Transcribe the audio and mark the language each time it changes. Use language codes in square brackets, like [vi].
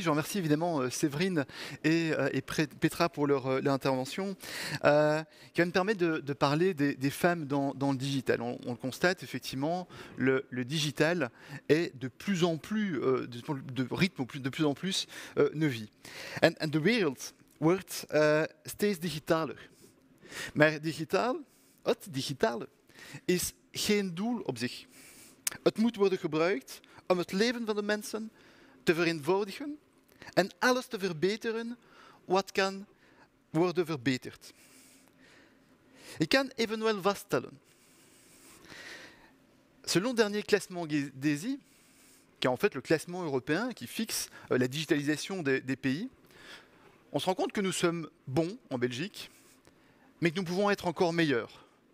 [fr] Je remercie évidemment Séverine et Petra pour leur intervention qui va me permettre de parler des femmes dans le digital. On le constate effectivement, le digital est de plus en plus de plus en plus nos vies. [en] And the world stays digital. [nl] Maar digital, het digital, is geen doel op zich. Het moet worden gebruikt om het leven van de mensen te vereenvoudigen en alles te verbeteren wat kan worden verbeterd. Ik kan evenwel vaststellen, [fr] selon le dernier classement DESI, qui est en fait le classement européen qui fixe la digitalisation des pays, on se rend compte que nous sommes bons en Belgique, mais que nous pouvons être encore meilleurs.